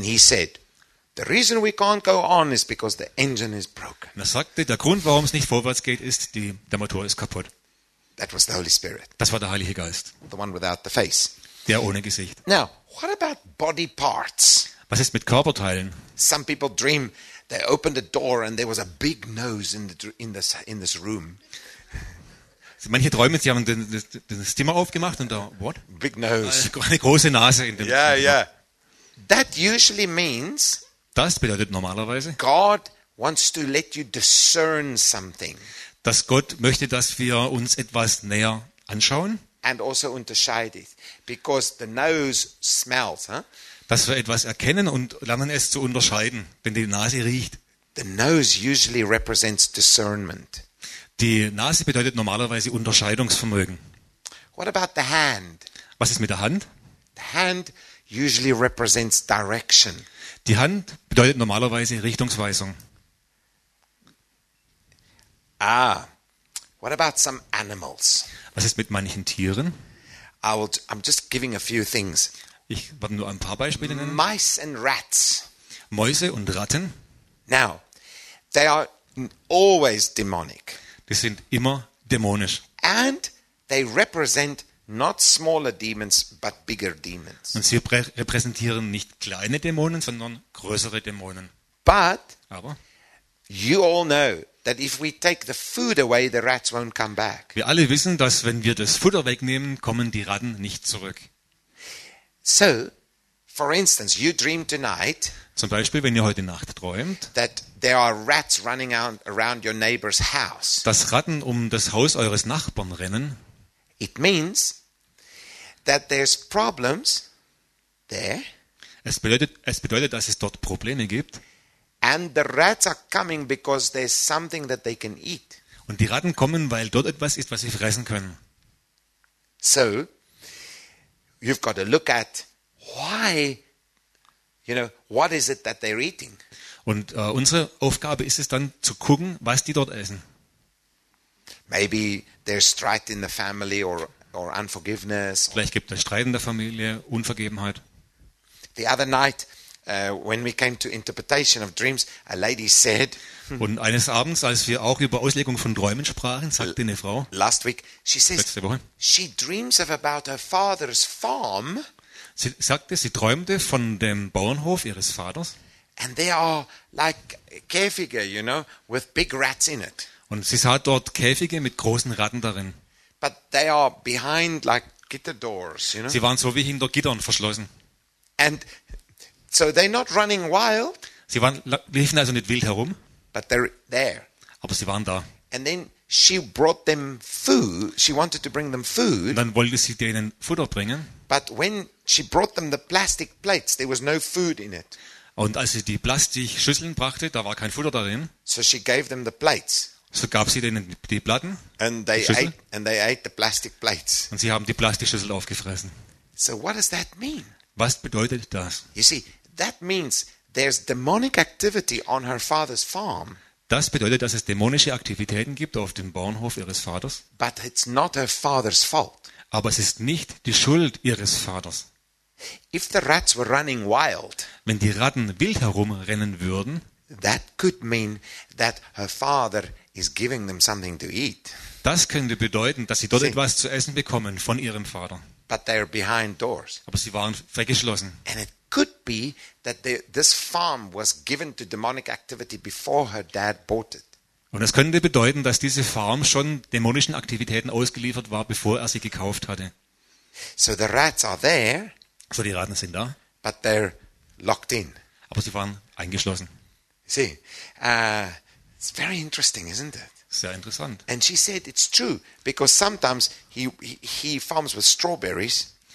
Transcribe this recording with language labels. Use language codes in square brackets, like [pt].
[en] And he said, the reason we can't go on is because the engine is broken. [de] Und er sagte, der Grund, warum es nicht vorwärts geht, ist, der Motor ist kaputt. [en] That was the Holy Spirit. [de] Das war der Heilige Geist. [en] The one without the face. [de] Der ohne Gesicht. [en] Now, what about body parts? [de] Was ist mit Körperteilen? [en] Some people dream. They opened the door and there was a big nose in this room. [de] Manche träumen, sie haben das Zimmer aufgemacht und da what? [en] Big nose. [de] Eine große Nase in dem [en] Zimmer. Yeah, yeah. That usually means. [de] Das bedeutet normalerweise. [en] God wants to let you discern something. [de] Dass Gott möchte, dass wir uns etwas näher anschauen. [en] And also unterscheide, because the nose smells, huh? [de] Dass wir etwas erkennen und lernen es zu unterscheiden, wenn die Nase riecht. [en] The nose usually represents discernment. [de] Die Nase bedeutet normalerweise Unterscheidungsvermögen. [en] What about the hand? [de] Was ist mit der Hand? [en] The hand usually represents direction. [de] Die Hand bedeutet normalerweise Richtungsweisung. [en] Ah, what about some animals? [de] Was ist mit manchen Tieren? [en] I'm just giving a few things. [de] Ich werde nur ein paar Beispiele nennen. [en] Mice and rats. [de] Mäuse und Ratten. [en] Now, they are always demonic. [de] Die sind immer dämonisch. [en] And they represent not smaller demons, but bigger demons. [de] Und sie repräsentieren nicht kleine Dämonen, sondern größere Dämonen. [en] But [de] aber [en] you all know that if we take the food away, the rats won't come back. [de] Wir alle wissen, dass wenn wir das Futter wegnehmen, kommen die Ratten nicht zurück. [en] So, for instance, you dream tonight. [de] Zum Beispiel, wenn ihr heute Nacht träumt, [en] that there are rats running out around your neighbor's house. [de] Dass Ratten um das Haus eures Nachbarn rennen. [en] It means that there's problems there. [de] Es bedeutet, dass es dort Probleme gibt. [en] And the rats are coming because there's something that they can eat. [de] Und die Ratten kommen, weil dort etwas ist, was sie fressen können. [en] So, you've got to look at why, you know, what is it that they're eating? [de] Und unsere Aufgabe ist es dann zu gucken, was die dort essen. [en] Maybe there's strife in the family or unforgiveness. [de] Vielleicht gibt es Streit in der Familie, Unvergebenheit. [en] The other night, when we came to interpretation of dreams, a lady said. [de] Und eines Abends, als wir auch über Auslegung von Träumen sprachen, sagte eine Frau. [en] Last week, she says. [de] Letzte Woche. [en] She dreams of about her father's farm. [de] Sie sagte, sie träumte von dem Bauernhof ihres Vaters. [en] And they are like Käfige, you know, with big rats in it. [de] Und sie sah dort Käfige mit großen Ratten darin. [en] But they are behind like gitter doors, you know. [de] Sie waren so wie hinter Gittern verschlossen. [en] And so they're not running wild. [de] Sie liefen also nicht wild herum. [en] But they're there. [de] Aber sie waren da. [en] And then she brought them food. She wanted to bring them food. [de] Und dann wollte sie denen Futter bringen. [en] But when she brought them the plastic plates, there was no food in it. [de] Und als sie die Plastikschüsseln brachte, da war kein Futter darin. [en] So she gave them the plates. [de] So gab sie denen die Platten, [en] and they ate the plastic plates. [de] Und sie haben die Plastikschüssel aufgefressen. [en] So what does that mean? [de] Was bedeutet das? [en] You see, that means there's demonic activity on her father's farm. [de] Das bedeutet, dass es dämonische Aktivitäten gibt auf dem Bauernhof ihres Vaters. [en] But it's not her father's fault. [de] Aber es ist nicht die Schuld ihres Vaters. [en] If the rats were running wild, [de] wenn die Ratten wild herumrennen würden, [en] that could mean that her father is giving them something to eat. [de] Das könnte bedeuten, dass sie dort etwas zu essen bekommen von ihrem Vater. [en] But they're behind doors. [de] Aber sie waren weggeschlossen. [en] And it could be that this farm was given to demonic activity before her dad bought it. [de] Und es könnte bedeuten, dass diese Farm schon dämonischen Aktivitäten ausgeliefert war, bevor er sie gekauft hatte. [en] So the rats are there. [de] So die Ratten sind da. [en] But they're locked in. [de] Aber sie waren eingeschlossen. [en] See, it's very interesting, isn't it? [de] Sehr interessant. [en] And she said it's true because sometimes he farms with strawberries.